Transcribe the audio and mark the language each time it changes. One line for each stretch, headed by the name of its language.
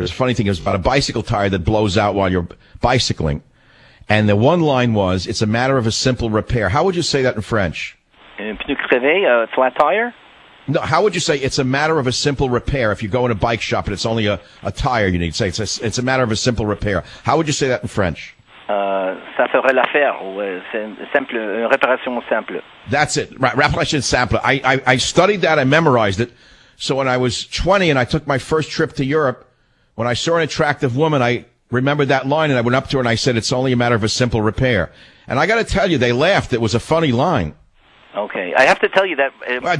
English: It's a funny thing. It was about a bicycle tire that blows out while you're bicycling. And the one line was, it's a matter of a simple repair. How would you say that in French?
French: Pneu crevé,
English: a flat tire? No, how would you say it's a matter of a simple repair if you go in a bike shop and it's only a tire you need? Say it's a matter of a simple repair. How would you say that in French?
French: Ça ferait l'affaire, ou simple, une réparation simple.
English: That's it, right,
French: réparation simple.
English: I studied that, I memorized it. So when I was 20 and I took my first trip to Europe, when I saw an attractive woman, I remembered that line and I went up to her and I said, it's only a matter of a simple repair. And I got to tell you, they laughed. It was a funny line. Okay, I have to tell you that.